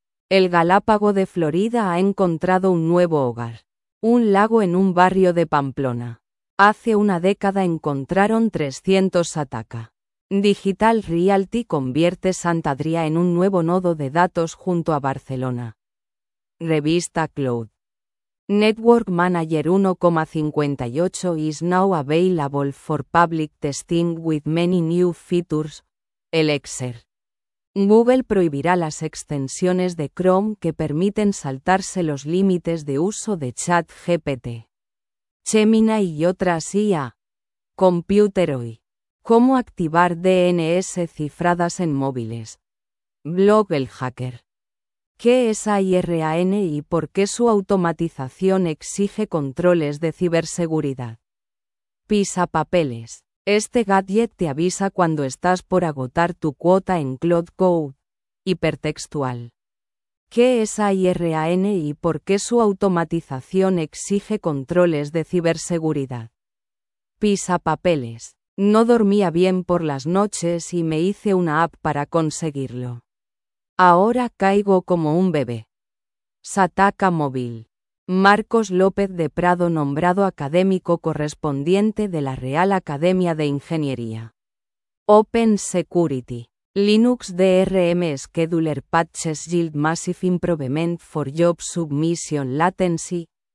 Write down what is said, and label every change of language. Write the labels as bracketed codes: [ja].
[es] El Galápago de Florida ha encontrado un nuevo hogar. Un lago en un barrio de Pamplona. Hace una década encontraron 300 Sataka. Digital Realty convierte Sant Adrià en un nuevo nodo de datos junto a Barcelona. Revista Cloud. [en] Network Manager 1.58 is now available for public testing with many new features. [es] Elixir. Google prohibirá las extensiones de Chrome que permiten saltarse los límites de uso de ChatGPT. Gemini y otras IA. Computer hoy. ¿Cómo activar DNS cifradas en móviles? Blog El Hacker. ¿Qué es AIRAN y por qué su automatización exige controles de ciberseguridad? Pisa Papeles. Este gadget te avisa cuando estás por agotar tu cuota en CloudGo. Hipertextual. ¿Qué es AIRAN y por qué su automatización exige controles de ciberseguridad? Pisa Papeles. No dormía bien por las noches y me hice una app para conseguirlo. Ahora caigo como un bebé. Sataka Móvil. Marcos López de Prado nombrado académico correspondiente de la Real Academia de Ingeniería. Open Security. [en] Linux DRM Scheduler Patches Yield Massive Improvement for Job Submission Latency.